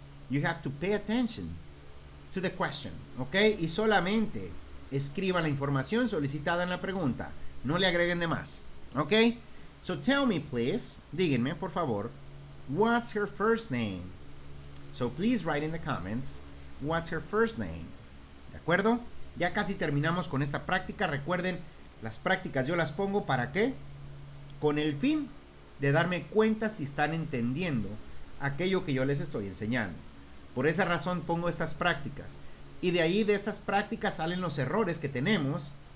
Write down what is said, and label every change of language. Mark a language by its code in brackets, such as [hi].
[en] You have to pay attention to the question. [es] Ok, y solamente escriba la información solicitada en la pregunta. No le agreguen de más. Ok, [en] so tell me please. [es] Díganme, por favor, [en] what's her first name? So please write in the comments, what's her first name? [es] ¿De acuerdo? Ya casi terminamos con esta práctica. Recuerden, las prácticas yo las pongo ¿para qué? Con el fin de darme cuenta si están entendiendo aquello que yo les estoy enseñando. Por esa razón pongo estas prácticas. Y de ahí, de estas prácticas, salen los errores que tenemos.